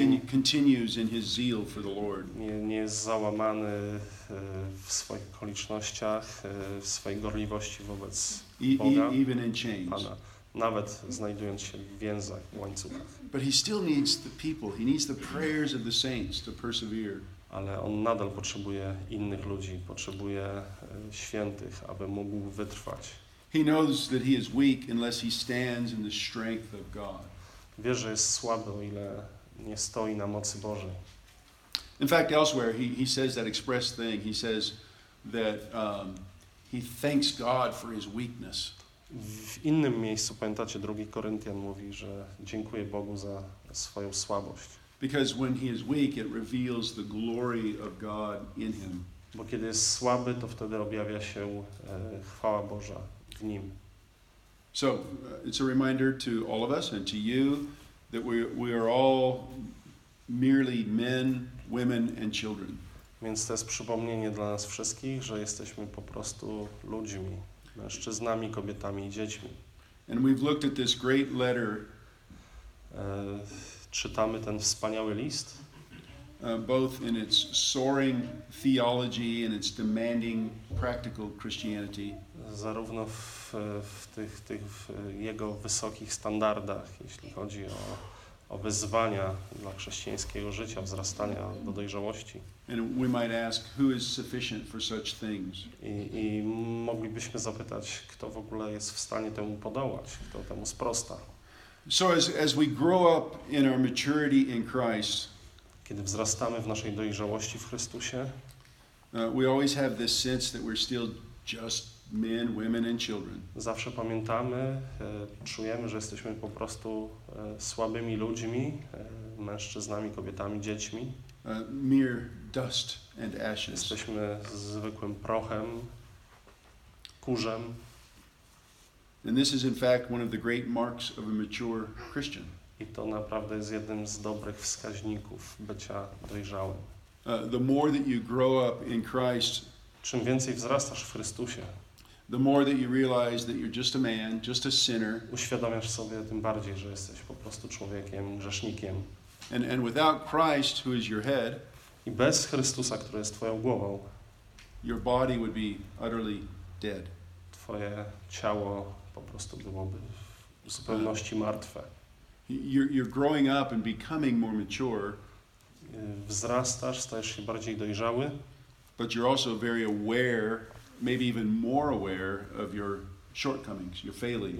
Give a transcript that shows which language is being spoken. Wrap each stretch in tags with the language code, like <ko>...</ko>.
<en>Continues in his zeal for the Lord.</en> <pl>Nie jest załamany w swoich okolicznościach, w swojej gorliwości wobec Boga.</pl> <en>Even in chains.</en> <pl>Pana, nawet znajdując się w więzach, w łańcuchach.</pl> <en>But he still needs the people. He needs the prayers of the saints to persevere.</en> <pl>Ale on nadal potrzebuje innych ludzi, potrzebuje świętych, aby mógł wytrwać.</pl> <en>He knows that he is weak unless he stands in the strength of God.</en> <pl>Wie, że jest słaby, o ile nie stoi na mocy Bożej.</pl> <en>In fact, elsewhere he says that express thing. He says that he thanks God for his weakness.</en> <pl>W innym miejscu, pamiętacie, drugi Koryntian mówi, że dziękuję Bogu za swoją słabość.</pl> <en>Because when he is weak, it reveals the glory of God in him.</en> <pl>Bo kiedy jest słaby, to wtedy objawia się chwała Boża w nim.</pl> <en>So it's a reminder to all of us and to you that we are all merely men, women, and children.</en> <pl>Więc to jest przypomnienie dla nas wszystkich, że jesteśmy po prostu ludźmi, mężczyznami, kobietami i dziećmi.</pl> <en>And we've looked at this great letter.</en> <pl>Czytamy ten wspaniały list.</pl> <en>Both in its soaring theology and its demanding practical Christianity.</en> <pl>Zarówno w tych jego wysokich standardach, jeśli chodzi o wyzwania dla chrześcijańskiego życia, wzrastania do dojrzałości.</pl> <en>And we might ask, who is sufficient for such things?</en> <pl>I moglibyśmy zapytać, kto w ogóle jest w stanie temu podołać, kto temu sprosta.</pl> <en>So as we grow up in our maturity in Christ,</en> <pl>kiedy wzrastamy w naszej dojrzałości w Chrystusie,</pl> <en>we always have this sense that we're still just men, women, and children.</en> <pl>Zawsze pamiętamy, czujemy, że jesteśmy po prostu słabymi ludźmi, mężczyznami, kobietami, dziećmi.</pl> <en>Mere dust and ashes.</en> <pl>Jesteśmy zwykłym prochem, kurzem.</pl> <en>And this is in fact one of the great marks of a mature Christian.</en> <pl>I to naprawdę jest jednym z dobrych wskaźników bycia dojrzałym.</pl> <en>The more that you grow up in Christ,</en> <pl>czym więcej wzrastasz w Chrystusie,</pl> <en>the more that you realize that you're just a man, just a sinner.</en> <pl>Uświadamiasz sobie tym bardziej, że jesteś po prostu człowiekiem, grzesznikiem.</pl> <en>And without Christ, who is your head,</en> <pl>i bez Chrystusa, który jest twoją głową,</pl> <en>your body would be utterly dead.</en> <pl>Twoje ciało po prostu byłoby w zupełności martwe.</pl> <en>You're growing up and becoming more mature.</en> <pl>Wzrastasz, stajesz się bardziej dojrzały.</pl> <en>But you're also very aware, maybe even more aware of your shortcomings, your failings.</en>